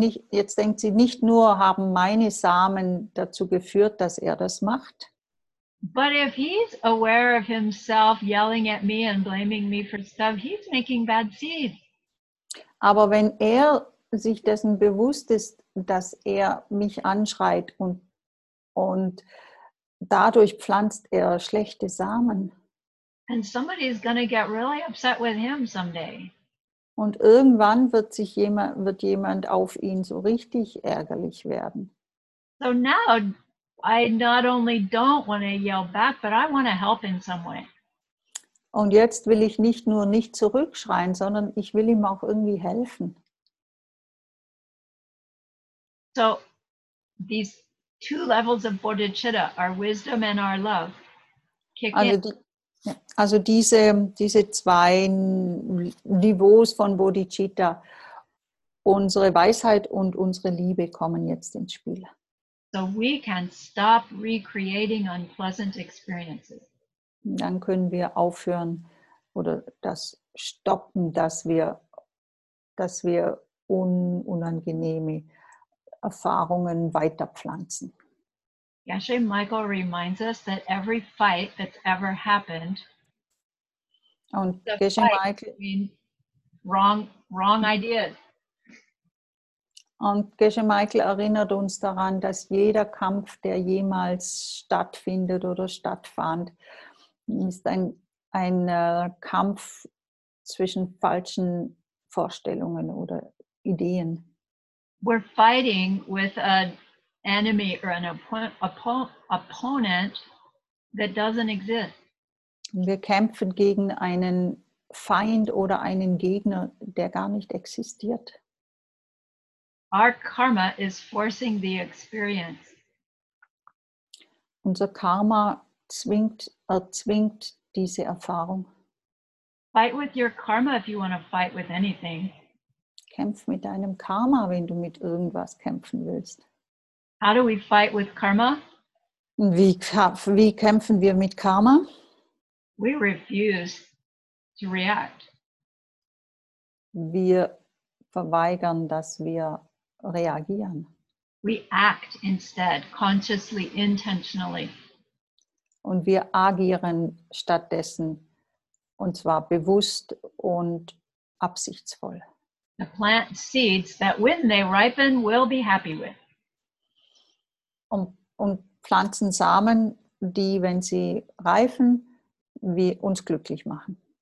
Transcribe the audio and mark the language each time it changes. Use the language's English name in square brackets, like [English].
[German] Jetzt denkt sie nicht nur, haben meine Samen dazu geführt, dass er das macht. [English] But if he's aware of himself yelling at me and blaming me for stuff, he's making bad seeds. [German] Aber wenn er sich dessen bewusst ist, dass er mich anschreit und dadurch pflanzt er schlechte Samen. [English] And somebody is gonna get really upset with him someday. [German] Und irgendwann wird jemand auf ihn so richtig ärgerlich werden. [English] So now I not only don't want to yell back, but I want to help in some way. [German] Und jetzt will ich nicht nur nicht zurückschreien, sondern ich will ihm auch irgendwie helfen. [English] So these two levels of bodhicitta, our wisdom and our love, kick [German] also [English] in. [German] Also diese zwei Niveaus von Bodhicitta, unsere Weisheit und unsere Liebe kommen jetzt ins Spiel. [English] So we can stop recreating unpleasant experiences. [German] Dann können wir aufhören oder das stoppen, dass wir unangenehme Erfahrungen weiterpflanzen. [English] Geshe Michael reminds us that every fight that's ever happened. [German] Und Geshe Michael, [English] wrong ideas. [German] Und Geshe Michael erinnert uns daran, dass jeder Kampf, der jemals stattfindet oder stattfand, ist ein Kampf zwischen falschen Vorstellungen oder Ideen. [English] We're fighting with an enemy or an opponent that doesn't exist. [German] Wir kämpfen gegen einen Feind oder einen Gegner, der gar nicht existiert. [English] Our karma is forcing the experience. [German] Unser Karma erzwingt diese Erfahrung. [English] Fight with your karma if you want to fight with anything. [German] Kämpf mit deinem Karma, wenn du mit irgendwas kämpfen willst. [English] How do we fight with karma? [German] Wie kämpfen wir mit Karma? [English] We refuse to react. [German] Wir verweigern, dass wir reagieren. [English] We act instead, consciously, intentionally. [German] Und wir agieren stattdessen, und zwar bewusst und absichtsvoll. [English] The plant seeds that when they ripen will be happy with. [German] Und pflanzen Samen, die, wenn sie reifen, wie uns glücklich machen.